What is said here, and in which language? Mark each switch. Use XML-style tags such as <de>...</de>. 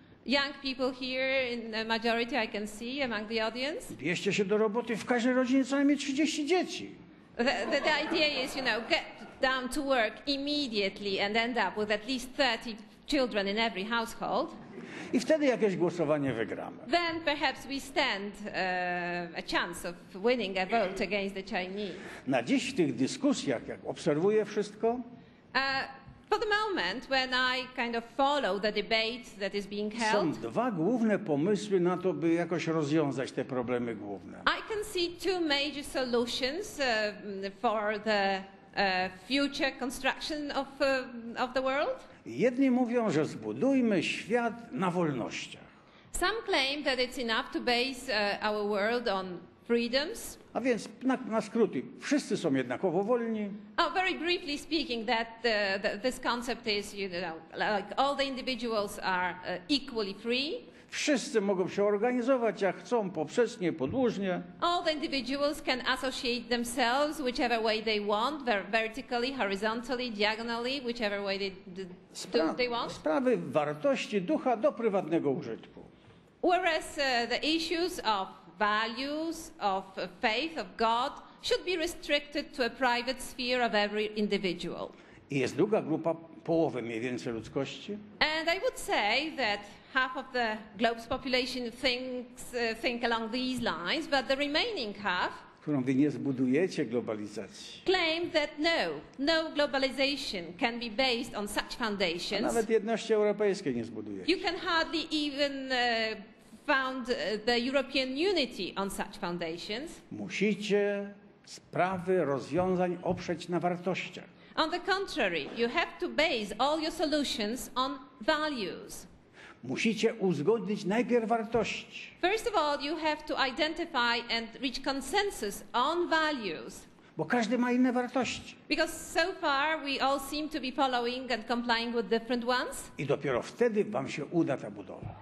<en>Young people here in the majority I can see among the audience.</en> <pl>Bierzcie się do roboty, w każdej rodzinie co najmniej 30 dzieci.</pl> <en>The idea is, you know, get down to work immediately and end up with at least 30 children in every household.</en> <pl>I wtedy jakieś głosowanie wygramy.</pl> <en>Then perhaps we stand a chance of winning a vote against the Chinese.</en> <pl>Na dziś w tych dyskusjach, jak obserwuję wszystko.</pl> <en>For the moment, when I kind of follow the debate that is being held.</en> <pl>Są dwa główne pomysły na to, by jakoś rozwiązać te problemy główne.</pl> <en>I can see two major solutions for the future construction of the world.</en> <pl>Jedni mówią, że zbudujmy świat na wolnościach.</pl> <en>Some claim that it's enough to base our world on freedoms.</en> <pl>A więc na skróty, wszyscy są jednakowo wolni.</pl> <en>Oh, very briefly speaking, that this concept is, you know, like all the individuals are equally free.</en> <pl>Wszyscy mogą się organizować jak chcą, poprzecznie, podłużnie.</pl> <en>All the individuals can associate themselves whichever way they want, vertically, horizontally, diagonally, whichever way they want.</en> <pl>Sprawy wartości ducha do prywatnego użytku.</pl> <en>Whereas the issues of values, of faith, of God should be restricted to a private sphere of every individual.</en> <pl>I jest druga grupa, połowy mniej więcej ludzkości.</pl> <en>And I would say that half of the globe's population think along these lines, but the remaining half,</en> <pl>którą wy nie zbudujecie globalizacji,</pl> <en>claim that no globalization can be based on such foundations.</en> <pl>A nawet jedności europejskiej nie zbudujecie.</pl> <en>You can hardly even found the European unity on such foundations.</en> <pl>Musicie sprawy rozwiązań oprzeć na wartościach.</pl> <en>On the contrary, you have to base all your solutions on values.</en> <pl>Musicie uzgodnić najpierw wartości.</pl> <en>First of all, you have to identify and reach consensus on values.</en> <pl>Bo każdy ma inne wartości.</pl> <en>Because so far we all seem to be following and complying with different ones.</en> <pl>I dopiero wtedy wam się uda ta budowa.</pl>